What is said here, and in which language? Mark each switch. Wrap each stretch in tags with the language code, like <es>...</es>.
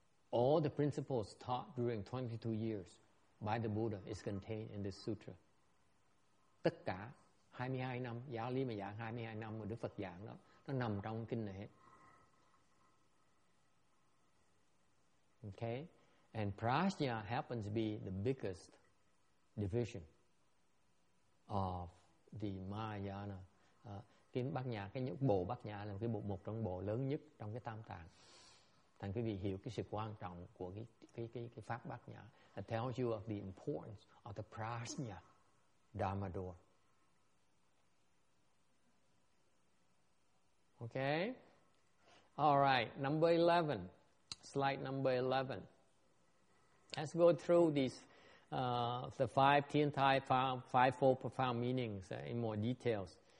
<en>All the principles taught during 22 years by the Buddha is contained in this sutra.</en> <vi>Tất cả 22 năm, giáo lý mà giảng 22 năm mà Đức Phật giảng đó, nó nằm trong kinh này hết. Okay?</vi> <en>And Prajna happens to be the biggest division of the Mahayana.</en> <vi>Cái Bát Nhã, cái bộ Bát Nhã là một trong bộ lớn nhất trong cái tam tạng. Thành quý vị hiểu cái sự quan trọng của cái pháp Bát Nhã.</vi> <en>It tells you of the importance of the Prajna Dharma door. Okay. All right. Number 11. Slide number 11. Let's go through these the five Thiên Thai five four profound meanings in more details.</en>